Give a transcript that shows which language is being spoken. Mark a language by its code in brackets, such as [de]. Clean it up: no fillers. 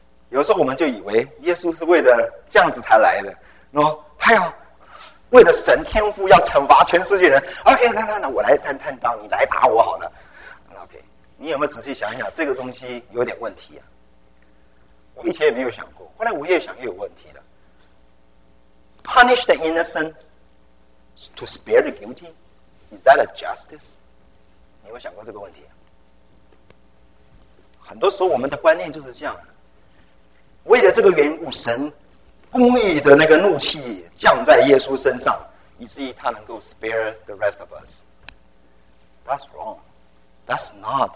[zh] 有时候我们就以为耶稣是为了这样子才来的，喏，他要为了神天父要惩罚全世界人 ，OK， 那我来担当，你来打我好了。 OK， 你有没有仔细想一想，这个东西有点问题啊？我以前也没有想过，后来我越想越有问题了。 [en] Punish the innocent to spare the guilty, is that a justice？ [zh] 你有没有想过这个问题、啊？很多时候我们的观念就是这样，为了这个缘故，神公义的那个怒气降在耶稣身上，以至于他能够 [en] spare the rest of us。 That's wrong. That's not.